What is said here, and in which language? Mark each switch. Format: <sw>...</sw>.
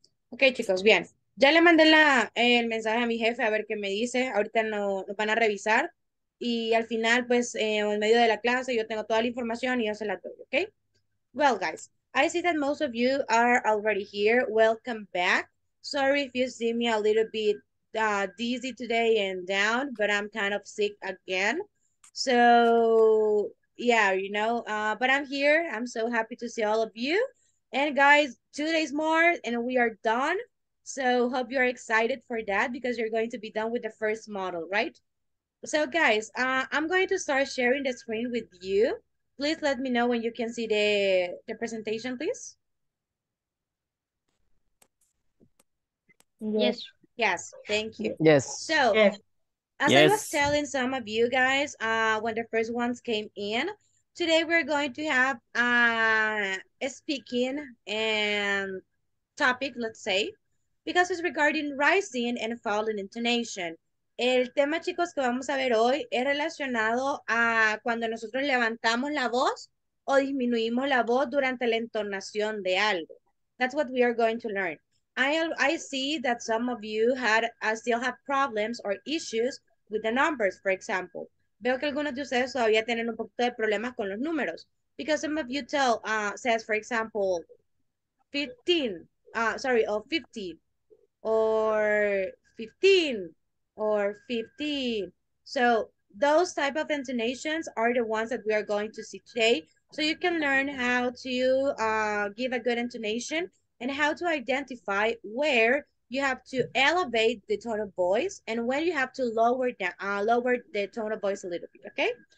<es>Ok, chicos, bien. Ya le mandé el mensaje a mi jefe a ver qué me dice. Ahorita lo van a revisar. Y al final, pues, en medio de la clase, yo tengo toda la información y yo se la doy, ¿ok?</es> <en>Well, guys, I see that most of you are already here. Welcome back. Sorry if you see me a little bit dizzy today and down, but I'm kind of sick again. So, yeah, you know, but I'm here. I'm so happy to see all of you. And guys, 2 days more and we are done. So, hope you're excited for that because you're going to be done with the first model, right? So, guys, I'm going to start sharing the screen with you. Please let me know when you can see the presentation, please. Yes. Yes, thank you. Yes. So, Yes. as I was Yes. telling some of you guys, when the first ones came in, today we're going to have a speaking and topic, let's say, because it's regarding rising and falling intonation.</en> <es>El tema, chicos, que vamos a ver hoy es relacionado a cuando nosotros levantamos la voz o disminuimos la voz durante la entonación de algo.</es> <en>That's what we are going to learn. I see that some of you had still have problems or issues with the numbers, for example.</en> <es>Veo que algunos de ustedes todavía tienen un poquito de problemas con los números.</es> <en>Because some of you tell, says, for example, 15, sorry, or 50, or 15, or 15. So those type of intonations are the ones that we are going to see today. So you can learn how to give a good intonation and how to identify where you have to elevate the tone of voice and when you have to lower the tone of voice a little bit, okay?</en>